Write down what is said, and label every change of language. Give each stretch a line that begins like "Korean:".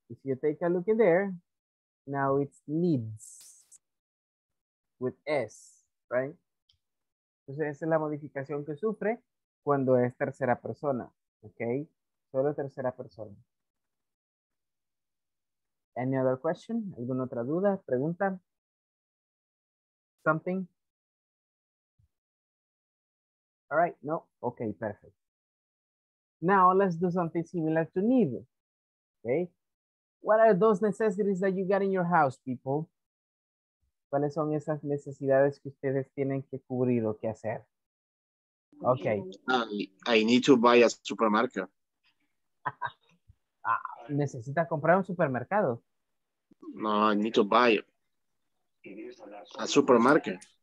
English: If you take a look in there, now it's needs with S, right?
Spanish: Entonces esa es la modificación que sufre cuando es tercera persona, okay? Solo tercera persona.
English: Any other question?
Spanish: ¿Alguna otra duda, pregunta?
English: Something? All right, no, okay, perfect. Now let's do something similar to need, okay? What are those necessities that you got in your house, people?
Spanish: ¿Cuáles son esas necesidades que ustedes tienen que cubrir o que hacer?
English: Okay. I need to buy a supermarket.
Spanish: ¿Necesita comprar un supermercado?
English: No, I need to buy a supermarket.